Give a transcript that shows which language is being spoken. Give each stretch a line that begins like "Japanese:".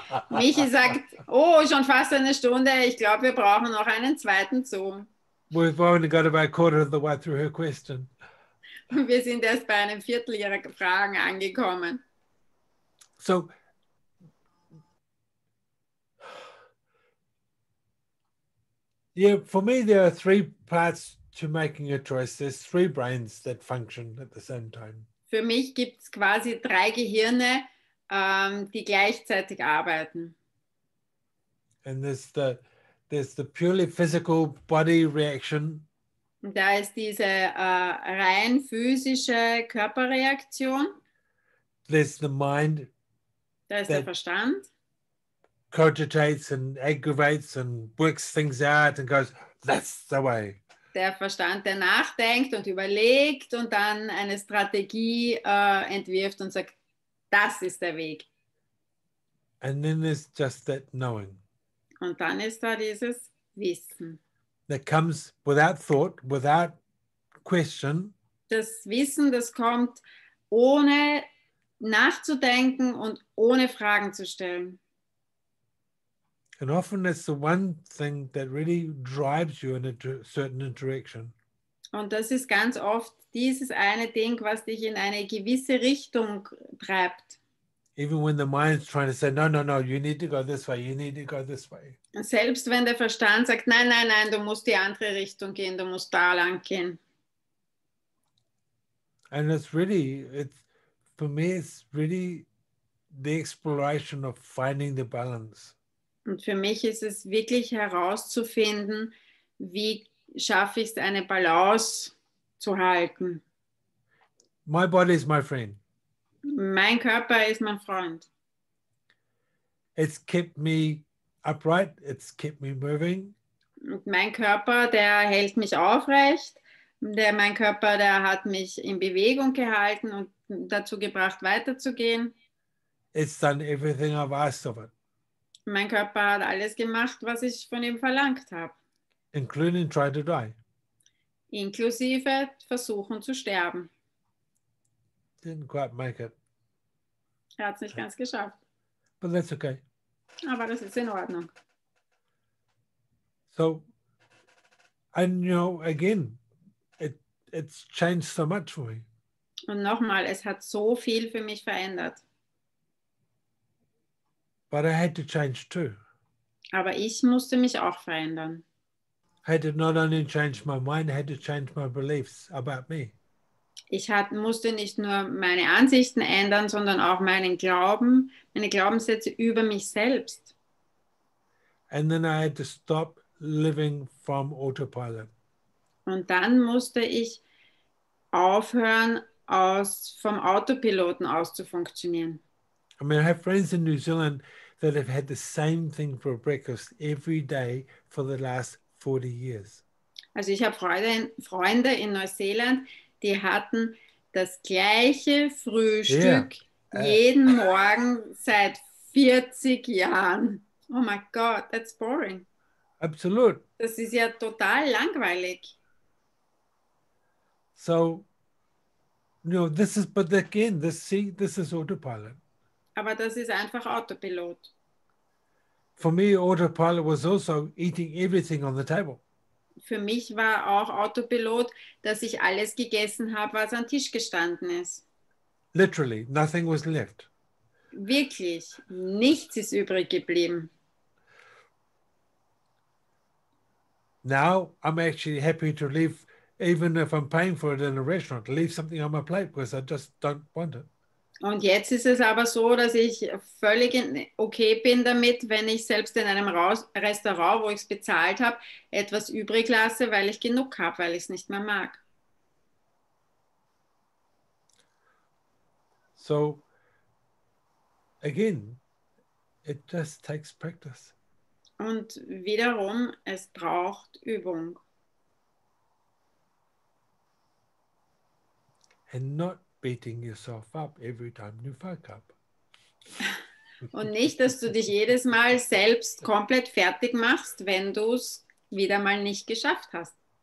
German: Michi sagt, oh, schon fast eine Stunde, ich glaube, wir brauchen noch einen zweiten Zoom.
English: We've only got about a quarter of the way through her question.
German: Wir sind erst bei einem Viertel ihrer Fragen angekommen.
English: So, yeah, for me, there are three parts to making a choice. There's three brains that function at the same time.
German: Für mich gibt es quasi drei Gehirne, die gleichzeitig arbeiten.
English: And there's the purely physical body reaction.
German: Da ist diese rein physische Körperreaktion.
English: There's the mind.
German: Da ist der Verstand.
English: Cogitates and aggravates and works things out and goes, that's the way.
German: Der Verstand, der nachdenkt und überlegt und dann eine Strategie entwirft und sagt, das ist der Weg.
English: And then there's just that knowing.
German: Und dann ist da dieses Wissen.
English: That comes without thought, without question.
German: Das Wissen, das kommt ohne nachzudenken und ohne Fragen zu stellen.
English: And often it's the one thing that really drives you in a certain direction.
German: Und das ist ganz oft dieses eine Ding, was dich in eine gewisse Richtung treibt.
English: Even when the mind is trying to say, no, no, no, you need to go this way, you need to go this way.
German: Selbst wenn der Verstand sagt, nein, nein, nein, du musst die andere Richtung gehen, du musst da lang gehen.
English: And it's really, it's, for me, it's really the exploration of finding the balance.
German: Und für mich ist es wirklich herauszufinden, wie schaffe ich es, eine Balance zu halten.
English: My body is my friend.
German: Mein Körper ist mein Freund.
English: It's kept me upright. It's kept me moving.
German: Und mein Körper, der hält mich aufrecht. Mein Körper, der hat mich in Bewegung gehalten und dazu gebracht, weiterzugehen.
English: It's done everything I've asked of it.
German: Mein Körper hat alles gemacht, was ich von ihm verlangt habe.
English: Including trying to die.
German: Inklusive versuchen zu sterben.
English: Didn't quite make it.
German: Er hat es nicht ganz geschafft.
English: But that's okay.
German: Aber das ist in Ordnung.
English: So, and you know, again, it's changed so much for me.
German: Und nochmal, es hat so viel für mich verändert.
English: But I had to change too.
German: Aber ich musste mich auch verändern.
English: I had to not only change my mind, I had to change my beliefs about me.
German: Ich musste nicht nur meine Ansichten ändern, sondern auch meinen Glauben, meine Glaubenssätze über mich selbst.
English: And then I had to stop living from autopilot.
German: Und dann musste ich aufhören, vom Autopiloten aus zu funktionieren.
English: I mean, I have friends in New Zealand that have had the same thing for breakfast every day for the last 40 years.
German: Also ich habe Freunde in Neuseeland, die hatten das gleiche Frühstück jeden Morgen seit 40 Jahren.
English: Oh my God, that's boring.
German: Absolut. Das ist ja total langweilig.
English: So, no, this is, but again, this is autopilot.
German: Aber das ist einfach Autopilot.
English: For me, autopilot was also eating everything on the table.
German: Für mich war auch Autopilot, dass ich alles gegessen habe, was am Tisch gestanden ist.
English: Literally, nothing was left.
German: Wirklich, nichts ist übrig geblieben.
English: Now I'm actually happy to leave, even if I'm paying for it in a restaurant, leave something on my plate because I just don't want it.
German: Und jetzt ist es aber so, dass ich völlig okay bin damit, wenn ich selbst in einem Restaurant, wo ich es bezahlt habe, etwas übrig lasse, weil ich genug habe, weil ich es nicht mehr mag.
English: So, again, it just takes practice.
German: Und wiederum, es braucht Übung.
English: And not beating yourself up every time you fuck up.
German: Und nicht, dass du dich jedes Mal selbst komplett fertig machst, wenn du es wieder mal nicht geschafft hast.